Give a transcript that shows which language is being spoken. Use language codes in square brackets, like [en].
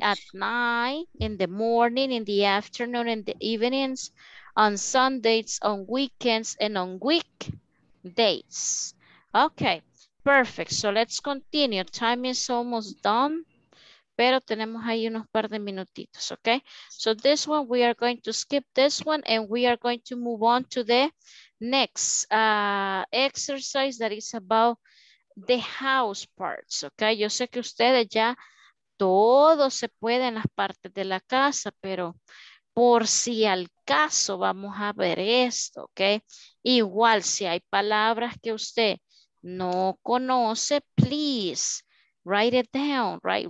[en] At night, in the morning, in the afternoon, in the evenings, on Sundays, on weekends, and on weekdays. Okay, perfect. So let's continue. Time is almost done. [es] Pero tenemos ahí unos par de minutitos, ¿ok? [en] So this one, we are going to skip this one and we are going to move on to the next exercise that is about the house parts, ¿ok? [es] Yo sé que ustedes ya todo se puede en las partes de la casa, pero por si al caso vamos a ver esto, ¿ok? Igual, si hay palabras que usted no conoce, [en] please, write it down, right?